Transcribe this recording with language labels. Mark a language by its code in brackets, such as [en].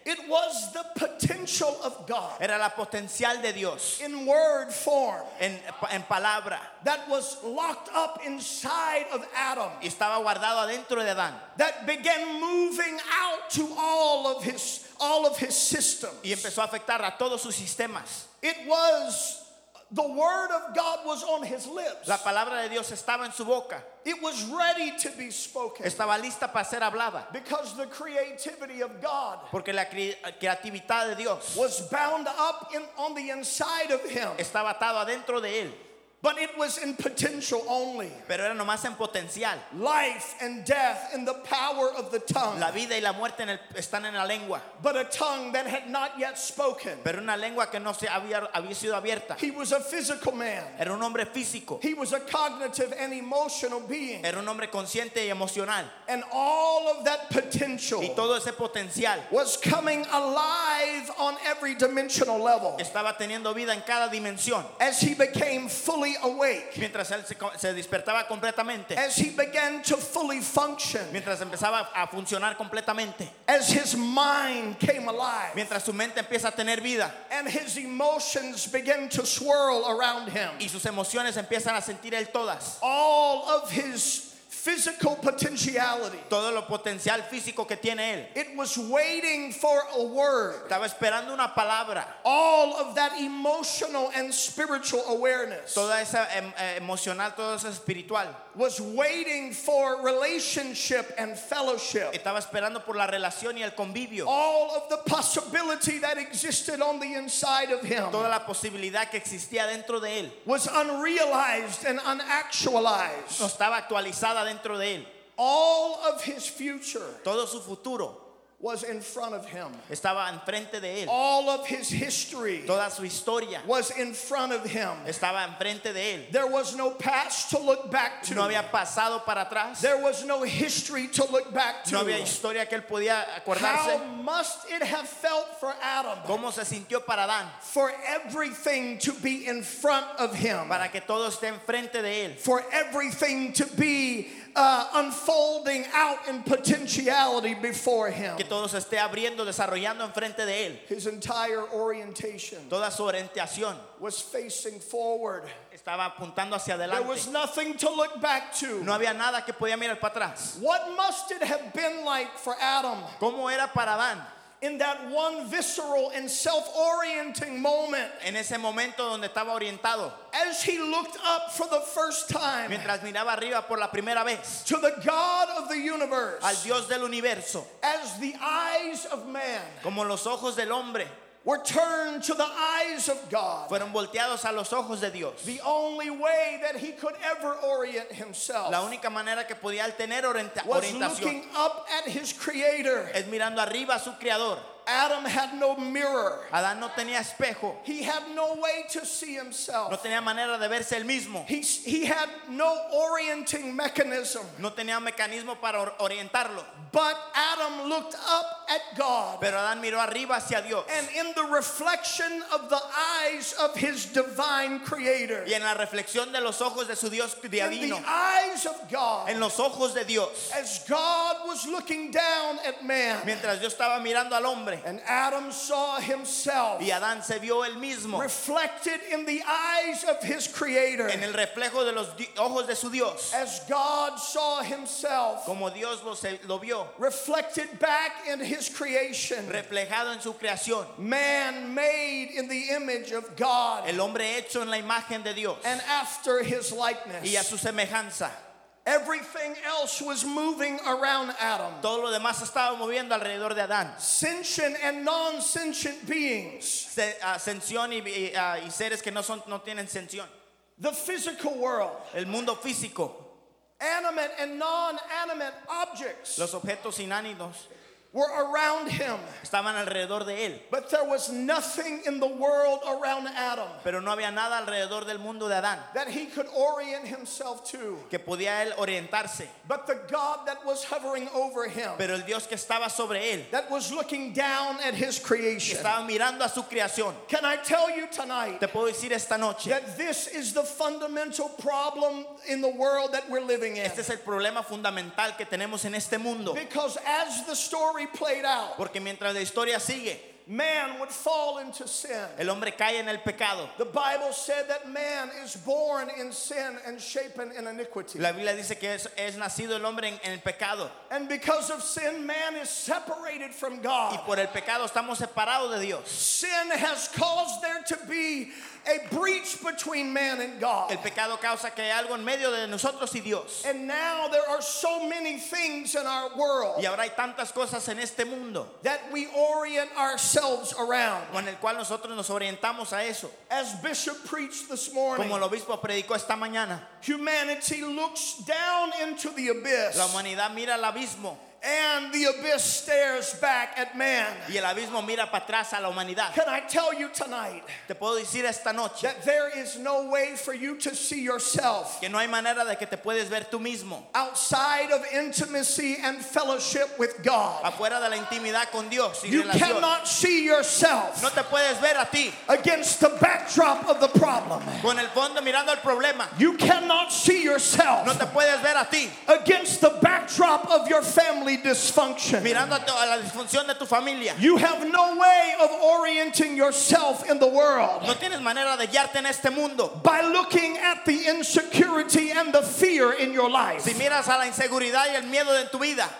[en] It was the potential of God. [es] Era la potencial de Dios. [en] In word form. [es] En palabra. [en] That was locked up inside of Adam. [es] Estaba guardado adentro de Adán. [en] That began moving out to all of his systems. [es] Y empezó a afectar a todos sus sistemas. [en] It was the word of God was on his lips. [es] La palabra de Dios estaba en su boca. [en] It was ready to be spoken. [es] Estaba lista para ser hablada. [en] Because the creativity of God, [es] porque la creatividad de Dios, [en] was bound up in on the inside of him. [es] Estaba atado adentro de él. [en] But it was in potential only. [es] Pero era nomás en potencial. [en] Life and death in the power of the tongue. [es] La vida y la muerte están en la lengua. [en] But a tongue that had not yet spoken. [es] Pero una lengua que no se había sido abierta. [en] He was a physical man. [es] Era un hombre físico. [en] He was a cognitive and emotional being. [es] Era un hombre consciente y emocional. [en] And all of that potential. [es] Y todo ese potencial. [en] Was coming alive on every dimensional level. [es] Estaba teniendo vida en cada dimensión. [en] As he became fully awake, [es] mientras él se despertaba completamente, [en] as he began to fully function, [es] mientras empezaba a funcionar completamente, [en] as his mind came alive, [es] mientras su mente empieza a tener vida, [en] and his emotions begin to swirl around him, [es] y sus emociones empiezan a sentir él todas, [en] all of his physical potentiality, [es] todo lo potencial físico que tiene él, [en] it was waiting for a word, [es] estaba esperando una palabra, [en] all of that emotional and spiritual awareness, [es] toda esa emocional, todo eso espiritual, [en] was waiting for relationship and fellowship, [es] estaba esperando por la relación y el convivio, [en] all of the possibility that existed on the inside of him, [es] toda la posibilidad que existía dentro de él, [en] was unrealized and unactualized, [es] no estaba actualizada dentro de él. [en] All of his future, [es] todo su futuro, [en] was in front of him. [es] Estaba enfrente de él. [en] All of his history, [es] toda su historia, [en] was in front of him. [es] Estaba enfrente de él. [en] There was no past to look back to. [es] No había pasado para atrás. [en] There was no history to look back to. [es] No había historia que él podía acordarse. [en] How must it have felt for Adam? [es] ¿Cómo se sintió para Adán? [en] For everything to be in front of him. [es] Para que todo esté enfrente de él. [en] For everything to be unfolding out in potentiality before him. [es] Que todo se esté abriendo, desarrollando enfrente de él. [en] His entire orientation, [es] toda su orientación, [en] was facing forward. [es] Estaba apuntando hacia adelante. [en] There was nothing to look back to. [es] No había nada que podía mirar para atrás. [en] What must it have been like for Adam? [es] ¿Cómo era para Adán? [en] In that one visceral and self-orienting moment, [es] en ese momento donde estaba orientado, [en] as he looked up for the first time, [es] mientras miraba arriba por la primera vez, [en] to the God of the universe, [es] al Dios del universo, [en] as the eyes of man, [es] como los ojos del hombre, [en] were turned to the eyes of God, [es] fueron volteados a los ojos de Dios, [en] the only way that he could ever orient himself, [es] la única manera que podía tener orientación, [en] was looking up at his creator, [es] es mirando arriba a su creador. [en] Adam had no mirror. [es] Adán no tenía espejo. [en] He had no way to see himself. [es] No tenía manera de verse él mismo. [en] He had no orienting mechanism. [es] No tenía mecanismo para orientarlo. [en] But Adam looked up at God. [es] Pero Adán miró arriba hacia Dios. [en] And in the reflection of the eyes of his divine creator. [es] Y en la reflexión de los ojos de su Dios divino. [en] In the eyes of God. [es] En los ojos de Dios. [en] As God was looking down at man. [es] Mientras Dios estaba mirando al hombre. [en] And Adam saw himself, [es] y Adán se vio él mismo, [en] reflected in the eyes of his creator, [es] en el reflejo de los ojos de su Dios, [en] as God saw himself, [es] como Dios lo vio, [en] reflected back in his creation, [es] reflejado en su creación, [en] man made in the image of God, [es] el hombre hecho en la imagen de Dios, [en] and after his likeness, [es] y a su semejanza. [en] Everything else was moving around Adam. [es] Todo lo demás estaba moviendo alrededor de Adán. [en] Sentient and non-sentient beings. [es] Sentión y seres que no tienen sentión. [en] The physical world. [es] El mundo físico. [en] animate and non-animate objects. [es] Los objetos inánimos [en] were around him. [es] Estaban alrededor de él. [en] But there was nothing in the world around Adam. [es] Pero no había nada alrededor del mundo de Adán. [en] That he could orient himself to. [es] Que podía él orientarse. [en] But the God that was hovering over him. [es] Pero el Dios que estaba sobre él. [en] That was looking down at his creation. [es] Estaba mirando a su creación. [en] Can I tell you tonight? [es] Te puedo decir esta noche. [en] That this is the fundamental problem in the world that we're living in. [es] Este es el problema fundamental que tenemos en este mundo. [en] Because as the story played out. [es] Porque mientras la historia sigue, [en] man would fall into sin. [es] El hombre cae en el pecado. [en] The Bible said that man is born in sin and shapen in iniquity. [es] La Biblia dice que es nacido el hombre en el pecado. [en] And because of sin, man is separated from God. [es] Y por el pecado estamos separados de Dios. [en] Sin has caused there to be a breach between man and God. [es] El pecado causa que hay algo en medio de nosotros y Dios. [en] And now there are so many things in our world. [es] Y ahora hay tantas cosas en este mundo. [en] That we orient ourselves around. [es] Con el cual nosotros nos orientamos a eso. [en] As Bishop preached this morning. [es] Como el obispo predicó esta mañana. [en] Humanity looks down into the abyss. [es] La humanidad mira al abismo. [en] And the abyss stares back at man. [es] Y el abismo mira para atrás a la humanidad. [en] Can I tell you tonight? [es] Te puedo decir esta noche. [en] That there is no way for you to see yourself. [es] Que no hay manera de que te puedes ver tú mismo. [en] Outside of intimacy and fellowship with God. [es] Afuera de la intimidad con Dios y [en] you [es] relación. [en] You cannot see yourself. [es] No te puedes ver a ti. [en] Against the backdrop of the problem. [es] Con el fondo mirando el problema. [en] You cannot see yourself. [es] No te puedes ver a ti. [en] Against the backdrop of your family. Dysfunction. [es] Mirando a la disfunción de tu familia. [en] You have no way of orienting yourself in the world. [es] No tienes manera de guiarte en este mundo. [en] By looking at the insecurity and the fear in your life. [es] Si miras a la inseguridad y el miedo en tu vida.